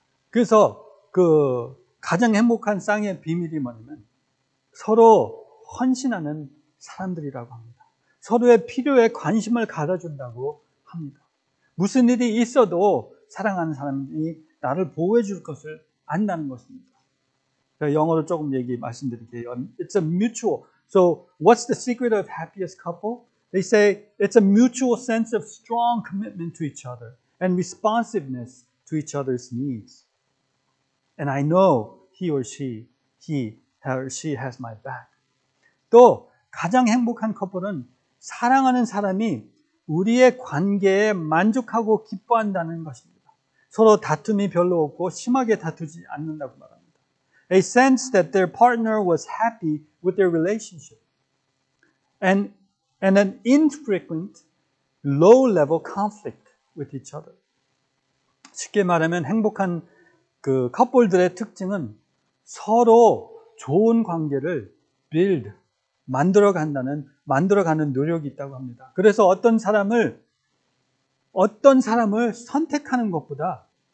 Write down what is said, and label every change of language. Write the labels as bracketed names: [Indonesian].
[Korean] 그래서 그 가장 행복한 쌍의 비밀이 뭐냐면 서로 헌신하는 사람들이라고 합니다. 서로의 필요에 관심을 가져준다고 합니다. 무슨 일이 있어도 사랑하는 사람이 나를 보호해 줄 것을 안다는 것입니다. 영어로 조금 얘기 말씀드릴게요. [English] It's a mutual. So what's the secret of happiest couple? They say it's a mutual sense of strong commitment to each other and responsiveness to each other's needs. And I know he or she has my back. [Korean] 또 가장 행복한 커플은 사랑하는 사람이 우리의 관계에 만족하고 기뻐한다는 것입니다. 서로 다툼이 별로 없고 심하게 다투지 않는다고 말합니다. [English] A sense that their partner was happy with their relationship and an infrequent low-level conflict with each other. [Korean] 쉽게 말하면 행복한 그 커플들의 특징은 서로 좋은 관계를 build, 만들어가는 노력이 있다고 합니다. 그래서 어떤 사람을 선택하는 것보다